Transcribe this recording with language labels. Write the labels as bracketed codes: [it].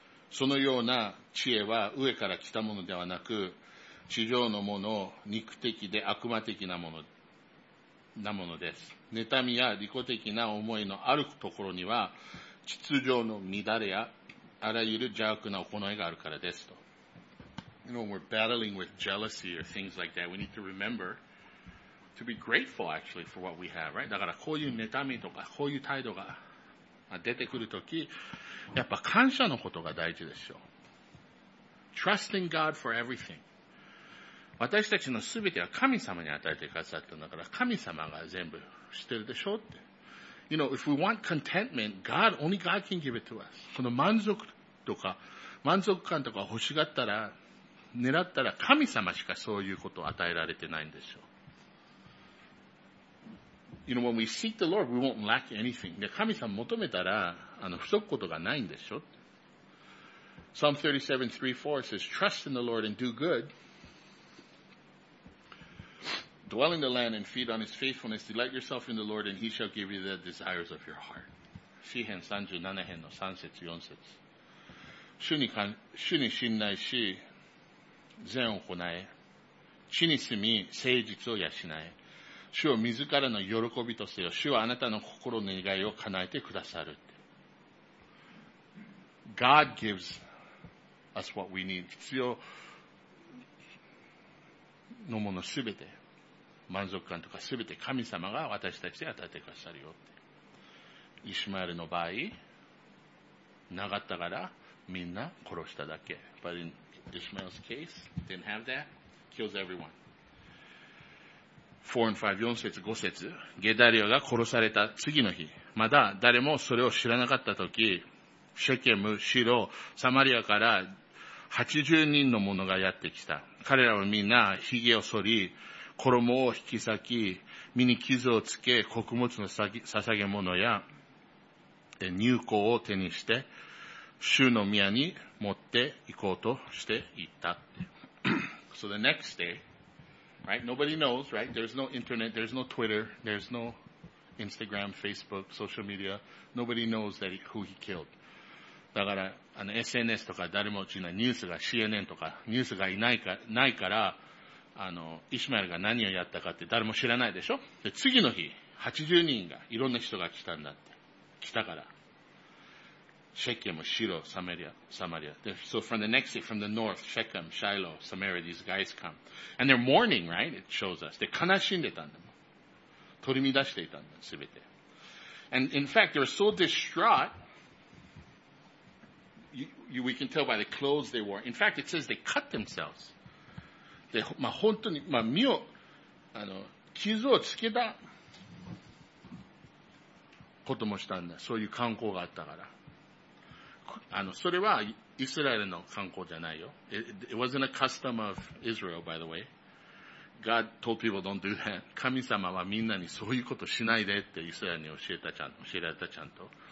[ja] そのような知恵は上から来たものではなく、地上のもの、肉的で悪魔的なもの、なものです。妬みや利己的な思いのあるところには、秩序の乱れや、あらゆる邪悪な行いがあるからですと。 [en] You know, when we're battling with jealousy or things like that, we need to remember to be grateful actually for what we have, right? [ja] だからこういう妬みとか、こういう態度が、出てくるとき、やっぱ感謝のことが大事でしょう。 [en] Trust in God for everything. [ja] 私たちのすべては神様に与えてくださったんだから、神様が全部知ってるでしょうって。 [en] You know, if we want contentment, God, only God can give it to us. [ja] この満足とか、満足感とか欲しがったら、狙ったら神様しかそういうことを与えられてないんでしょう。 [en] You know, when we seek the Lord, we won't lack anything. [ja] で、神様求めたら、不足ことがないんでしょ。 [en] Psalm 37:3-4 says, Trust in the Lord and do good. Dwell in the land and feed on his faithfulness. Delight yourself in the Lord and he shall give you the desires of your heart. [ja] 詩編37編の3節4節。主に信頼し、善を行え、地に住み、誠実を養え。主を自らの喜びとせよ。主はあなたの心の願いを叶えてくださる。 [en] God gives us what we need. [ja] 必要のものすべて、満足感とかすべて神様が私たちに与えてくださるよって。イシュマエルの場合、なかったからみんな殺しただけ。 [en] But in Ishmael's case, didn't have that, kills everyone. 4 and 5, [ja] 4節、5節。ゲダリアが殺された次の日。まだ誰もそれを知らなかったとき、シェケム、シロ、サマリアから80人の者がやってきた。彼らはみんな髭を剃り、衣を引き裂き、身に傷をつけ、穀物の捧げ物や乳香を手にして、主の宮に持って行こうとしていったって。 [en] So the next day,Right? Nobody knows, right? There's no internet, there's no Twitter, there's no Instagram, Facebook, social media. Nobody knows that who he killed. [ja] だから、SNS とか誰も知らない、ニュースが CNN とか、ニュースがないから、イシュマエルが何をやったかって誰も知らないでしょ？で、次の日、80人が、いろんな人が来たんだって。来たから。シェケム、シロ、サマリア。 [en] So from the next day, from the north, Shechem, Shiloh, Samaria, these guys come. And they're mourning, right? It shows us. [ja] で、悲しんでたんだもん。取り乱していたんだ、すべて。 [en] And in fact, they were so distraught, we can tell by the clothes they wore. In fact, it says they cut themselves. [ja] で、まあ、本当に、まあ、身を、傷をつけたこともしたんだ。そういう観光があったから。それはイスラエルの観光じゃないよ。 [en] It wasn't a custom of Israel, by the way. God told people don't do that. [ja] 神様はみんなにそういうことしないでってイスラエルに教えられたちゃんと。